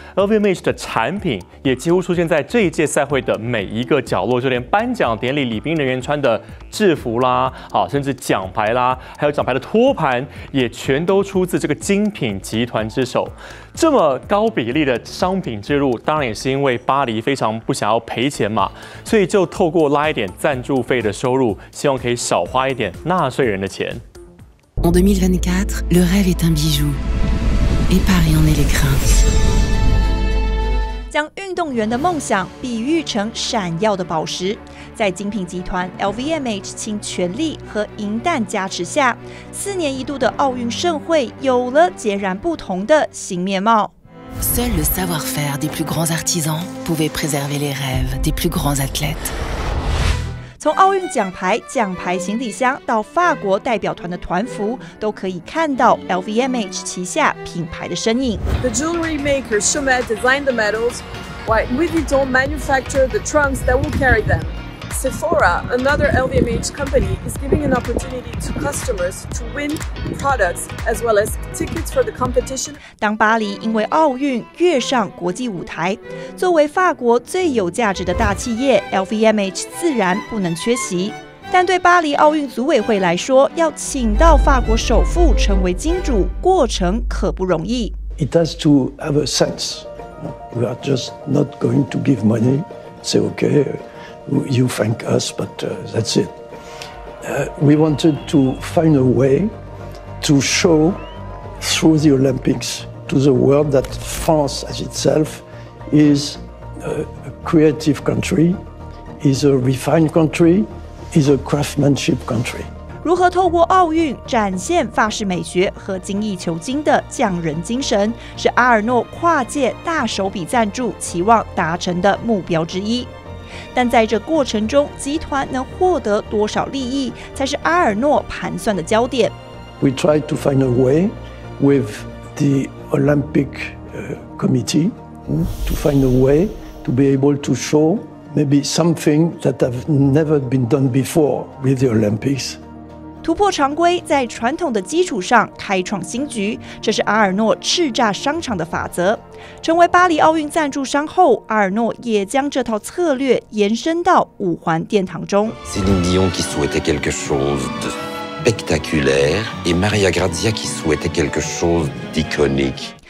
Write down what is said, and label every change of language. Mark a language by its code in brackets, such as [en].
[zh] LVMH 的产品也几乎出现在这一届赛会的每一个角落，就连颁奖典礼礼宾人员穿的制服啦，甚至奖牌啦，还有奖牌的托盘也全都出自这个精品集团之手。这么高比例的商品之路，当然也是因为巴黎非常不想要赔钱嘛，所以就透过拉一点赞助费的收入，希望可以少花一点纳税人的钱。 [fr] En 2024, le rêve est un bijou, et Paris en est l'écrin. [zh] 将运动员的梦想比喻成闪耀的宝石，在精品集团 LVMH 倾全力和银弹加持下，四年一度的奥运盛会有了截然不同的新面貌。 [fr] Seul le savoir-faire des plus grands artisans pouvait préserver les rêves des plus grands athlètes. [zh] 从奥运奖牌、奖牌行李箱到法国代表团的团服，都可以看到 LVMH 旗下品牌的身影。 [en] The jewelry maker Chaumet designed the medals, while Louis Vuitton manufactured the trunks that will carry them. Sephora, another LVMH company, is giving an opportunity to customers to win products as well as tickets for the competition. [zh] 当巴黎因为奥运跃上国际舞台，作为法国最有价值的大企业 ，LVMH 自然不能缺席。但对巴黎奥运组委会来说，要请到法国首富成为金主，过程可不容易。 [en] It has to have a sense. We are just not going to give money. Say okay. You thank us, but that's it. We wanted to find a way to show through the Olympics to the world that France as itself is a creative country, is a refined country, is a craftsmanship country. [zh] 如何透过奥运展现法式美学和精益求精的匠人精神，是阿尔诺跨界大手笔赞助期望达成的目标之一。但在这过程中，集团能获得多少利益，才是阿尔诺盘算的焦点。 [en] We tried to find a way with the Olympic committee to find a way to be able to show maybe something that have never been done before with the Olympics. [zh] 突破常规，在传统的基础上开创新局，这是阿尔诺叱咤商场的法则。成为巴黎奥运赞助商后，阿尔诺也将这套策略延伸到五环殿堂中。 [fr] Céline Dion qui souhaitait quelque chose de spectaculaire et Maria Grazia qui souhaitait quelque chose d'iconique。